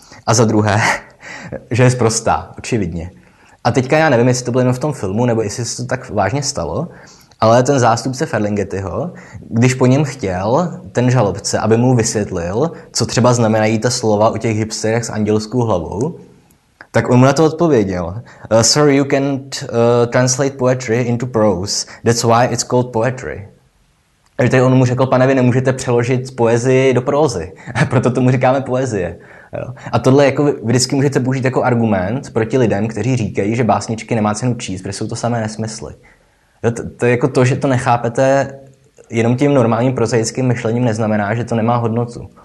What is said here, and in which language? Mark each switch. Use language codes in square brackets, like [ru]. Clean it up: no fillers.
[cs] A za druhé, že je sprostá, očividně. A teďka já nevím, jestli to bylo jenom v tom filmu, nebo jestli se to tak vážně stalo, ale ten zástupce Ferlinghettiho, když po něm chtěl ten žalobce, aby mu vysvětlil, co třeba znamenají ta slova o těch hipsterech s andělskou hlavou, tak on mu na to odpověděl. [en] Sir, you can't translate poetry into prose. That's why it's called poetry. [cs] Takže tady on mu řekl, pane, vy nemůžete přeložit poezii do prózy. Proto tomu říkáme poezie. Jo. A tohle jako vždycky můžete použít jako argument proti lidem, kteří říkají, že básničky nemá cenu číst, protože jsou to samé nesmysly. To je jako to, že to nechápete jenom tím normálním prozaickým myšlením, neznamená, že to nemá hodnotu.